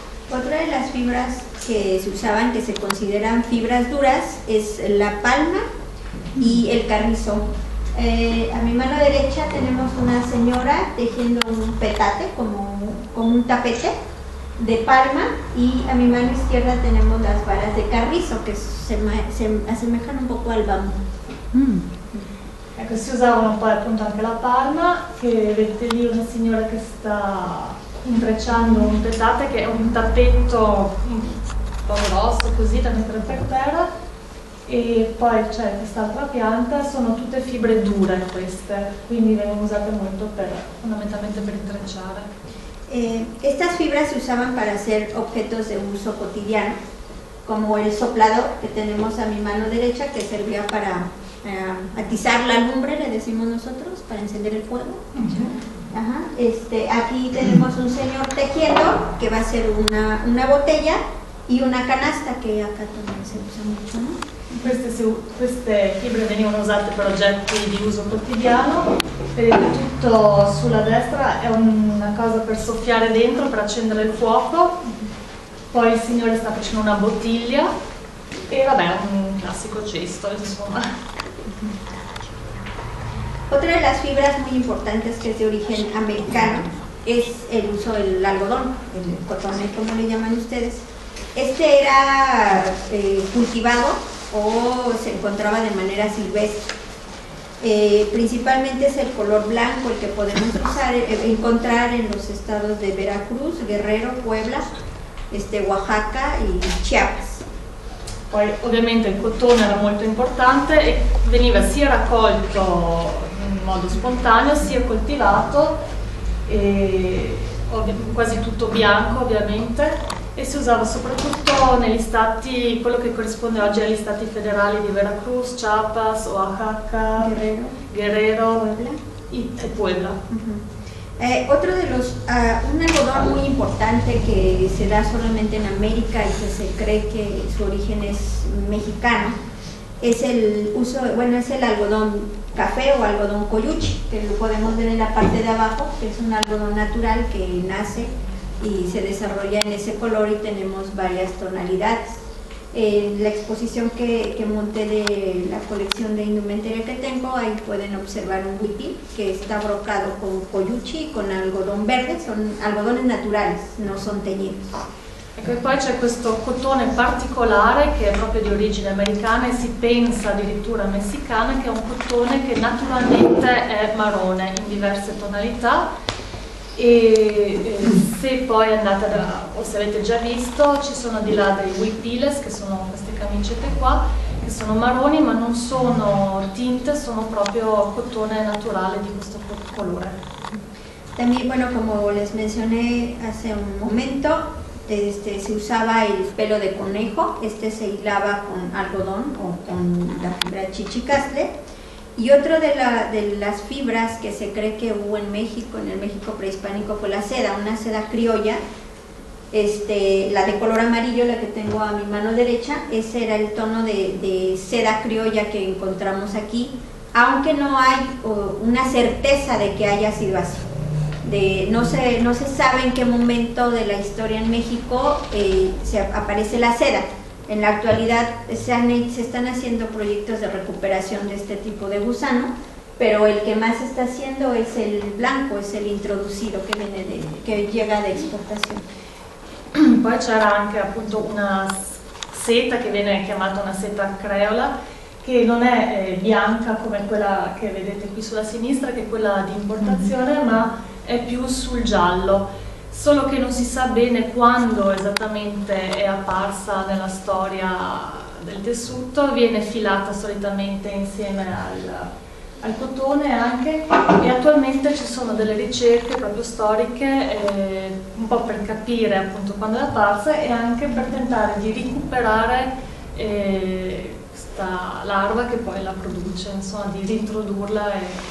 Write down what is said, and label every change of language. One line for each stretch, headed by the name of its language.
Spanish: Otra de las fibras que se usaban, que se consideran fibras duras, es la palma y el carrizo. A mi mano derecha tenemos una señora tejiendo un petate, como un tapete de palma, y a mi mano izquierda tenemos las varas de carrizo, que se asemejan un poco al bambú.
Italian: Ecco, si usavano poi appunto anche la palma, che vedete lì una signora che sta intrecciando un petate, che è un tappeto un po' grosso così da mettere per terra, e poi c'è quest'altra pianta, sono tutte fibre dure queste, quindi vengono usate molto per, fondamentalmente per intrecciare. Queste fibre si usavano per fare oggetti di uso quotidiano, come il soplado che abbiamo a mia
Spanish: mano derecha,
Italian: che serviva per
Spanish: atizar la lumbre, le decimos nosotros, para encender el fuego. Uh-huh. Ajá. Aquí tenemos un señor tejiendo, que va a ser una botella y una canasta, que acá también se usa mucho, ¿no?
Italian: Queste fibre venivano usate per oggetti di uso quotidiano, e tutto sulla destra è una cosa per soffiare dentro, per accendere il fuoco. Poi il signore sta facendo una bottiglia e vabbè, un classico cesto, insomma.
Spanish: Otra de las fibras muy importantes que es de origen americano es el uso del algodón, el cotón, como le llaman ustedes. Este era cultivado o se encontraba de manera silvestre. Principalmente es el color blanco el que podemos usar, encontrar en los estados de Veracruz, Guerrero, Puebla, Oaxaca y Chiapas.
Italian: Poi ovviamente il cotone era molto importante e veniva sia raccolto in modo spontaneo sia coltivato, e quasi tutto bianco ovviamente, e si usava soprattutto negli stati, quello che corrisponde oggi agli stati federali di Veracruz, Chiapas, Oaxaca, Guerrero e Puebla.
Spanish: Otro de los, un algodón muy importante que se da solamente en América y que se cree que su origen es mexicano, es el uso, bueno, es el algodón café o algodón coyuchi, que lo podemos ver en la parte de abajo, que es un algodón natural que nace y se desarrolla en ese color y tenemos varias tonalidades. En la exposición que monté de la colección de indumentaria que tengo, ahí pueden observar un huipil que está brocado con coyuchi y con algodón verde, son algodones naturales, no son teñidos.
Italian: Ecco, e poi c'è questo cotone particolare che è proprio di origine americana e si pensa addirittura messicana, che è un cotone che naturalmente è marrone in diverse tonalità. Se poi andate o se avete già visto, ci sono di là dei huipiles, che sono queste camicette qua, che sono marroni ma non sono tinte, sono proprio cotone naturale di questo colore.
Spanish: También, bueno, como les mencioné hace un momento, se usava il pelo de conejo, se hilaba con algodón o con la fibra chichicastle. Y otra de las fibras que se cree que hubo en México, en el México prehispánico, fue la seda, una seda criolla, la de color amarillo, la que tengo a mi mano derecha, ese era el tono de seda criolla que encontramos aquí, aunque no hay una certeza de que haya sido así. No se sabe en qué momento de la historia en México se aparece la seda. En la actualidad se están haciendo proyectos de recuperación de este tipo de gusano, pero el que más está haciendo es el blanco, es el introducido que viene que llega de exportación.
Italian: Poi c'era anche appunto una seta che viene chiamata una seta creola, che non è bianca come quella che vedete qui sulla sinistra, che è quella di importazione, ma è più sul giallo. Solo che non si sa bene quando esattamente è apparsa nella storia del tessuto, viene filata solitamente insieme al cotone anche, e attualmente ci sono delle ricerche proprio storiche, un po' per capire appunto quando è apparsa e anche per tentare di recuperare questa larva che poi la produce, insomma di reintrodurla e